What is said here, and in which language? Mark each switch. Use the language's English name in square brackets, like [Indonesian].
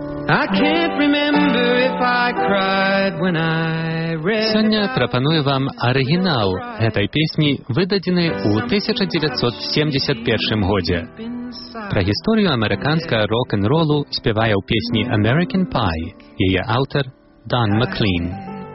[English] I can't remember if I cried when I read. [Belarusian] Сёння прапаную вам арыгінал гэтай песні, выдадзены ў 1971 годзе. Пра гісторыю амерыканскага рок-н-ролу спявае ў песні American Pie яе аўтар Дан Маклін.